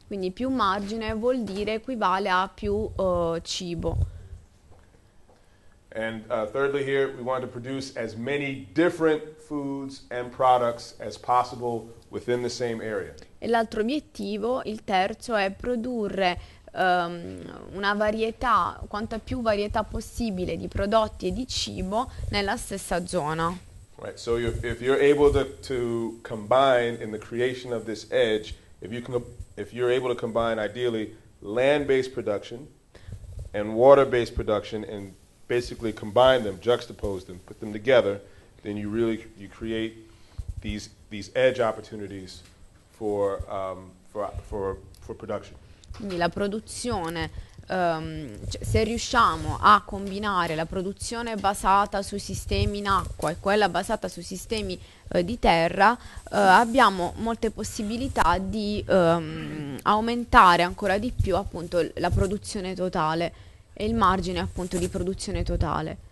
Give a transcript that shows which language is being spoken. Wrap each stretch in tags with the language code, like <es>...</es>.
<it>Quindi più margine vuol dire equivale a più cibo.</it> <en>And thirdly here, we want to produce as many different foods and products as possible within the same area.</en> <it>E l'altro obiettivo, il terzo, è produrre una varietà, quanta più varietà possibile di prodotti e di cibo nella stessa zona.</it> <en>Right, so if you're able to combine in the creation of this edge, if you're able to combine ideally land-based production and water-based production and basically combine them, juxtapose them, put them together, then you really you create these edge opportunities for production.</en> <it>Quindi la produzione, se riusciamo a combinare la produzione basata su sistemi in acqua e quella basata su sistemi di terra, abbiamo molte possibilità di aumentare ancora di più appunto la produzione totale e il margine appunto di produzione totale.</it>